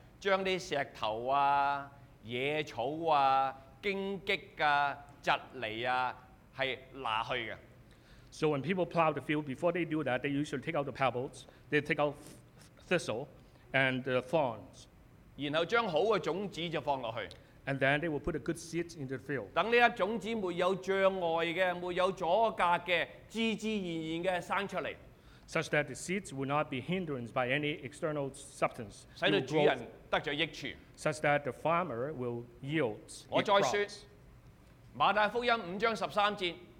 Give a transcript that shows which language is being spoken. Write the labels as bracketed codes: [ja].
[yue] 將啲石頭啊、野草啊、荊棘啊、蒺藜啊係拿去嘅。 [en] So, when people plow the field, before they do that, they usually take out the pebbles, they take out thistle and the thorns. [yue] 然後將好嘅種子就放落去。 [en] And then they will put a good seed into the field. [yue] 等呢一種子沒有障礙嘅、沒有阻隔嘅、自自然然嘅生出嚟。 [en] Such that the seeds will not be hindered by any external substance. [yue] 使到主人得著益處。 [en] Such that the farmer will yield. [yue] 我再説，馬太福音五章十三節。